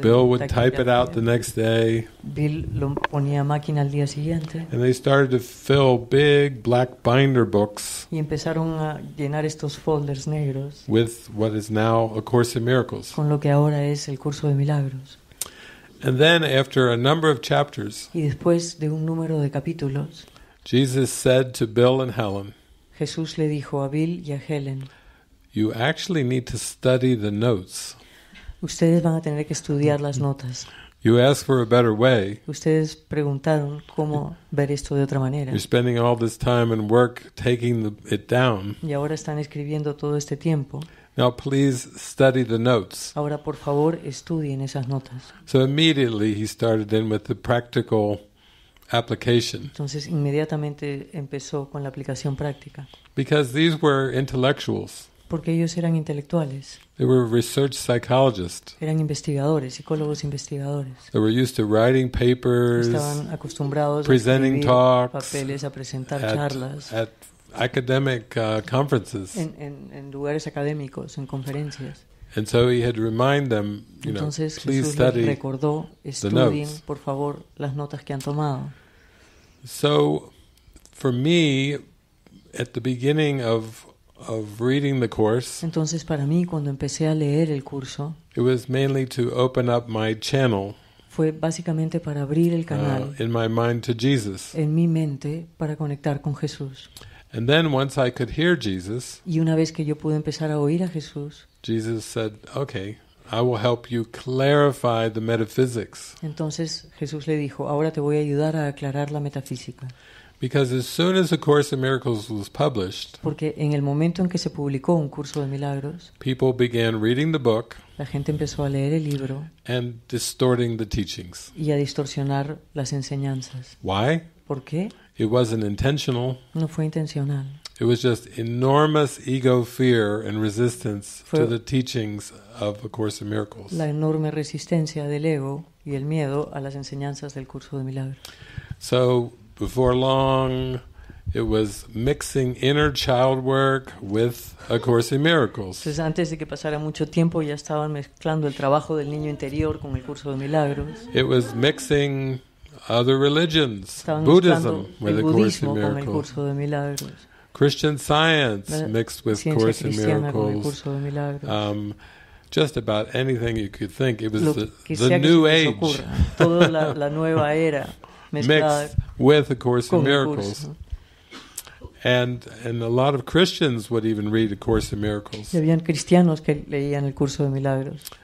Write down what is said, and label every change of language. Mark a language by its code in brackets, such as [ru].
[en] Bill would type it out the next day. [es] Bill lo ponía a máquina al día siguiente. [en] And they started to fill big black binder books. [es] Y empezaron a llenar estos folders negros. [en] With what is now A Course in Miracles. [es] Con lo que ahora es el curso de milagros. [en] And then after a number of chapters, [es] y después de un número de capítulos, [en] Jesus said to Bill and Helen, [es] Jesús le dijo a Bill y a Helen, [en] you actually need to study the notes. [es] Ustedes van a tener que estudiar las notas. [en] You ask for a better way. [es] Ustedes preguntaron cómo ver esto de otra manera. [en] You're spending all this time and work taking it down. [es] Y ahora están escribiendo todo este tiempo. [en] Now please study the notes. [es] Ahora por favor estudien esas notas. [en] So immediately he started in with the practical application. [es] Entonces inmediatamente empezó con la aplicación práctica. [en] Because these were intellectuals. [es] Porque ellos eran intelectuales. [en] They were research psychologists. [es] Eran investigadores, psicólogos investigadores. [en] They were used to writing papers. [es] Estaban acostumbrados [en] presenting a talks, [es] papeles, a presentar charlas. [en] At academic conferences. [es] En lugares académicos, en conferencias. [en] And so he had remind them, you know, [es] entonces, [en] please [es] Jesús [en] study [es] recordó, estudien, [en] the notes. [es] Por favor, las notas que han tomado. [en] So, for me, at the beginning of reading the course. [es] Entonces para mí cuando empecé a leer el curso. [en] It was mainly to open up my channel. [es] Fue básicamente para abrir el canal. [en] In my mind to Jesus. [es] En mi mente para conectar con Jesús. [en] And then once I could hear Jesus. [es] Y una vez que yo pude empezar a oír a Jesús. [en] Jesus said, "Okay, I will help you clarify the metaphysics." [es] Entonces Jesús le dijo, "Ahora te voy a ayudar a aclarar la metafísica." [en] Because as soon as the Course in Miracles was published, [es] porque en el momento en que se publicó un curso de milagros, [en] people began reading the book, [es] la gente empezó a leer el libro, [en] and distorting the teachings, [es] y a distorsionar las enseñanzas. [en] Why? [es] ¿Por qué? [en] It wasn't intentional. [es] No fue intencional. [en] It was just enormous ego fear and resistance to the teachings of A Course in Miracles. [es] La enorme resistencia del ego y el miedo a las enseñanzas del curso de milagros. [en] So before long, it was mixing inner child work with A Course in Miracles. [es] Entonces, antes de que pasara mucho tiempo, ya estaban mezclando el trabajo del niño interior con el curso de milagros. [en] It was mixing other religions, Buddhism, with [es] el budismo con el curso de milagros. [en] Christian Science mixed with [es] Ciencia [en] Course in Miracles. [es] Con el curso de milagros. [en] Just about anything you could think. It was [es] lo [en] the New Age. [es] Toda la nueva era. [en] Mixed with A Course in Miracles. And a lot of Christians would even read A Course in Miracles. [es] Y habían cristianos que leían el curso de milagros.